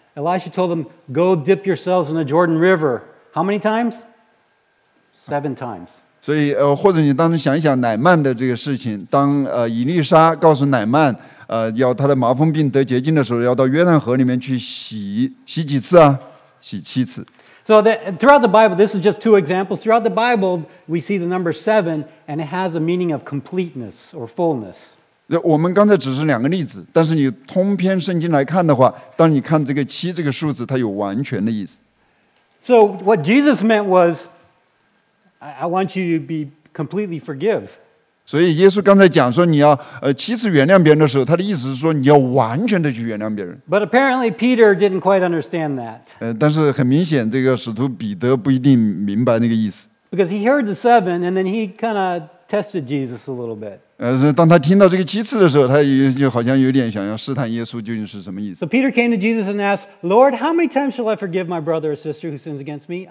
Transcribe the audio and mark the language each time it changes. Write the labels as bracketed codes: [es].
[en] Elisha told him, go dip yourselves in the Jordan River. How many times? 7 times. [zh] 所以或者你当时想一想乃曼的这个事情，当以利沙告诉乃曼要他的麻风病得洁净的时候，要到约旦河里面去洗，洗几次啊？洗七次。 [en] So throughout the Bible, this is just two examples. Throughout the Bible, we see the number seven, and it has a meaning of completeness or fullness. [zh] 我们刚才只是两个例子，但是你通篇圣经来看的话，当你看这个七这个数字，它有完全的意思。 [en] So what Jesus meant was, I want you to be completely forgive. [zh] 所以耶稣刚才讲说你要七次原谅别人的时候，他的意思是说你要完全的去原谅别人。 [en] But apparently Peter didn't quite understand that. [zh] 但是很明显这个使徒彼得不一定明白那个意思。 [en] Because he heard the seven and then he kind of tested Jesus a little bit. [zh] 当他听到这个七次的时候，他就好像有点想要试探耶稣究竟是什么意思。 [en] So Peter came to Jesus and asked, Lord, how many times shall I forgive my brother or sister who sins against me?